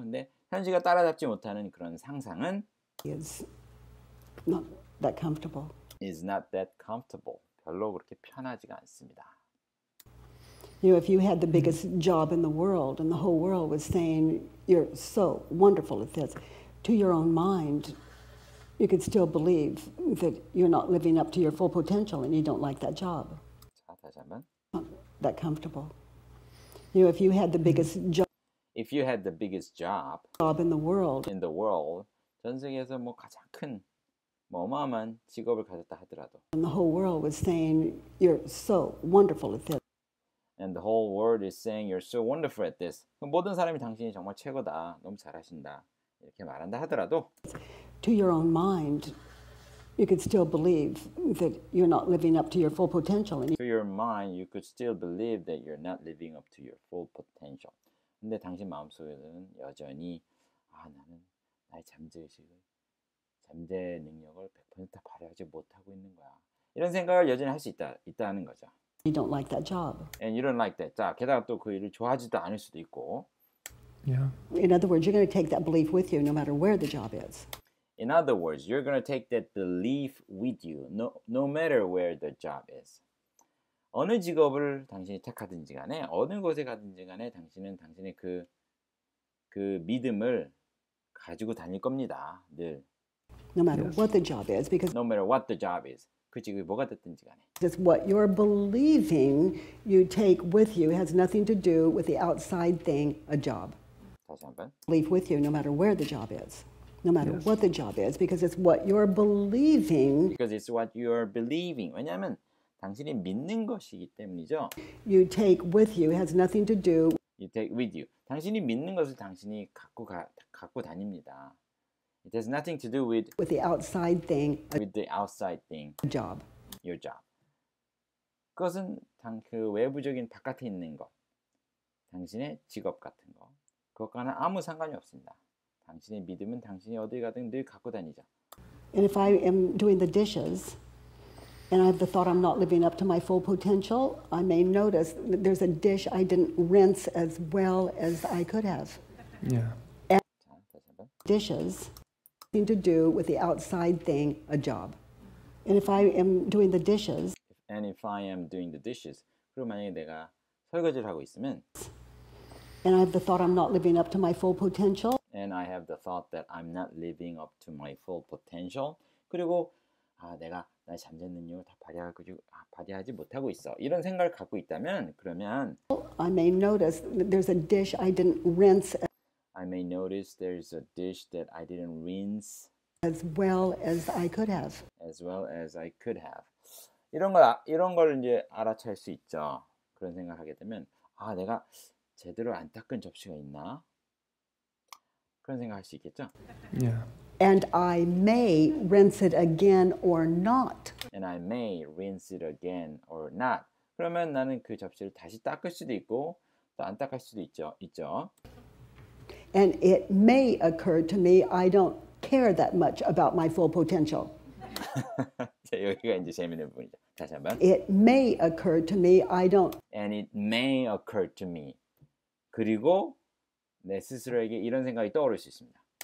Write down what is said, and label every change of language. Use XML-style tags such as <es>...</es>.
<ko>근데 현실과 따라잡지 못하는 그런 상상은</ko> <en>is not that comfortable. is not that comfortable.</en> <ko>별로 그렇게 편하지가 않습니다.</ko> <en>You know, if you had the biggest job in the world and the whole world was saying you're so wonderful at this to your own mind You could still believe that you're not living up to your full potential and you don't like that job.</en> <ko>자, 다시 한 번.</ko> <en>Not that comfortable. You know, if you had the biggest job. If you had the biggest job. Job in the world. In the world.</en> <ko>전 세계에서 뭐 가장 큰, 뭐 어마어마한 직업을 가졌다 하더라도.</ko> <en>And the whole world was saying you're so wonderful at this. And the whole world is saying you're so wonderful at this.</en> <ko>모든 사람이 당신이 정말 최고다, 너무 잘하신다 이렇게 말한다 하더라도.</ko> <en>To your own mind, you could still believe that you're not living up to your full potential. In your mind, you could still believe that you're not living up to your full potential.</en> <ko>근데 당신 마음속에는 여전히 아 나는 나의 잠재 능력을 100% 발휘하지 못하고 있는 거야. 이런 생각을 여전히 할 수 있다는 거죠.</ko> <en>You don't like that job. And you don't like that.</en> <ko>자, 게다가 또 그 일을 좋아하지도 않을 수도 있고.</ko> <en>Yeah. In other words, you're going to take that belief with you no matter where the job is. In other words, you're going to take that belief with you no matter where the job is.</en> <ko>어느 직업을 당신이 택하든지 간에 어느 곳에 가든지 간에 당신은 당신의 그 믿음을 가지고 다닐 겁니다. 늘.</ko> <en>No matter what the job is because no matter what the job is.</en> <ko>그 직업이 뭐가 됐든지 간에.</ko> <en>Just what you're believing you take with you has nothing to do with the outside thing, a job.</en> <ko>다시 한번.</ko> <en>Believe with you no matter where the job is. No matter what the job is because it's what you're believing. Because it's what you're believing.</en> <ko>왜냐면 당신이 믿는 것이기 때문이죠.</ko> <en>You take with you has nothing to do. You take with you.</en> <ko>당신이 믿는 것을 당신이 갖고 다닙니다.</ko> <en>It has nothing to do with the outside thing. With the outside thing. Job. Your job.</en> <ko>그것은 그 외부적인 바깥에 있는 것. 당신의 직업 같은 것. 그것과는 아무 상관이 없습니다. 당신의 믿음은 당신이 어디 가든 늘 갖고 다니죠.</ko> <en>And if I am doing the dishes, and I have the thought I'm not living up to my full potential, I may notice that there's a dish I didn't rinse as well as I could have. Yeah. And dishes nothing to do with the outside thing, a job. And if I am doing the dishes, and if I am doing the dishes,</en> <ko>그럼 만약에 내가 설거지를 하고 있으면,</ko> <en>and I have the thought I'm not living up to my full potential, and I have the thought that I'm not living up to my full potential,</en> <ko>그리고 아 내가 나의 잠재 능력을 다 발휘하지 못하고 있어. 이런 생각을 갖고 있다면 그러면</ko> <en>I may notice that there's a dish I didn't rinse. I may notice there's a dish that I didn't rinse as well as I could have. As well as I could have.</en> <ko>이런 걸 이제 알아챌 수 있죠. 그런 생각하게 되면 아 내가 제대로 안 닦은 접시가 있나? 그런 생각할 수 있겠죠.</ko> <en>Yeah. And I may rinse it again or not. And I may rinse it again or not.</en> <ko>그러면 나는 그 접시를 다시 닦을 수도 있고 또 안 닦을 수도 있죠.</ko> <en>And it may occur to me I don't care that much about my full potential.</en> <ko>자, 여기가 이제 재미있는 부분이죠. 다시 한번.</ko> <en>It may occur to me I don't. And it may occur to me.</en> <ko>그리고 내 스스로에게 이런 생각이 떠오를 수 있습니다.</ko>